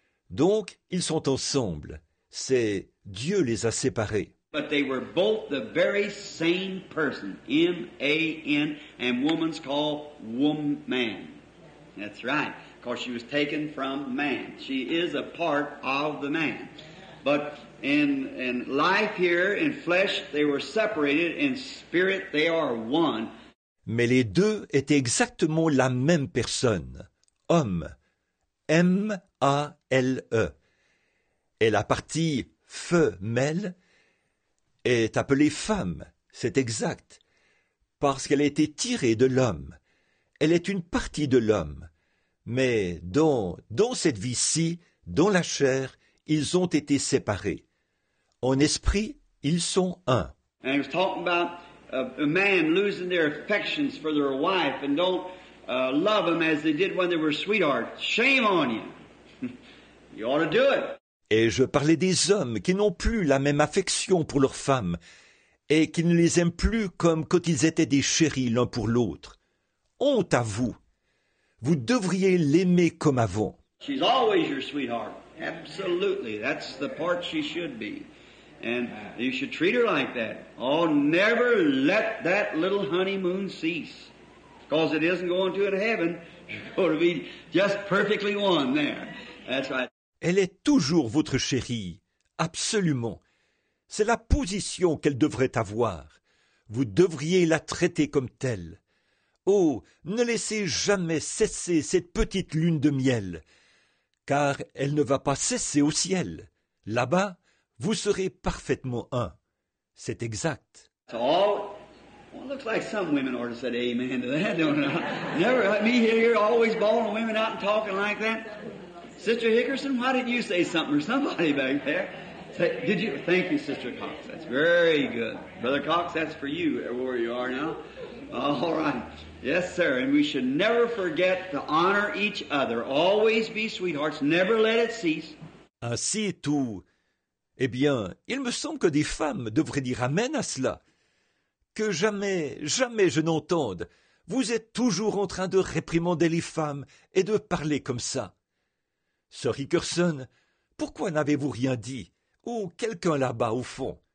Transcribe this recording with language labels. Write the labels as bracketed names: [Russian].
[French] Donc, ils sont ensemble. C'est Dieu les a séparés. [English] But they were both the very same person, M-A-N, and woman's called woman. That's right. Because she was taken from man. She is a part of the man. But in life here, in flesh, they were separated. In spirit, they are one. [French] Mais les deux étaient exactement la même personne. Homme. M-A-L-E. Et la partie femelle est appelée femme. C'est exact. Parce qu'elle a été tirée de l'homme. Elle est une partie de l'homme. Mais dans cette vie-ci, dans la chair, ils ont été séparés. En esprit, ils sont un. [English] And he was talking about a man losing their affections for their wife and don't love them as they did when they were sweethearts. Shame on you. You ought to do it. [French] Et je parlais des hommes qui n'ont plus la même affection pour leurs femmes et qui ne les aiment plus comme quand ils étaient des chéris l'un pour l'autre. Honte à vous. Vous devriez l'aimer comme avant. [English] She's always your sweetheart. Absolutely. That's the part she should be. And you should treat her like that. Oh, never let that little honeymoon cease. Because it isn't going to in heaven. You're going to be just perfectly one there. That's right. [French] Elle est toujours votre chérie. Absolument. C'est la position qu'elle devrait avoir. Vous devriez la traiter comme telle. Oh, ne laissez jamais cesser cette petite lune de miel, car elle ne va pas cesser au ciel. Là-bas, vous serez parfaitement un. C'est exact. [English] Well, it looks like some women ought to say amen to that, don't I? Never let me hear you always bawling women out and talking like that. Sister Hickerson, why didn't you say something or somebody back there? Did you? Thank you, Sister Cox. That's very good. Brother Cox, that's for you, where you are now. All right. Yes, sir. And we should never forget to honor each other. Always be sweethearts. Never let it cease. [French] Ainsi, tout Eh bien, il me semble que des femmes devraient dire amen à cela. Que jamais, jamais je n'entende. Vous êtes toujours en train de réprimander les femmes et de parler comme ça. Sœur Hickerson, pourquoi n'avez-vous rien dit? Ou quelqu'un là-bas au fond?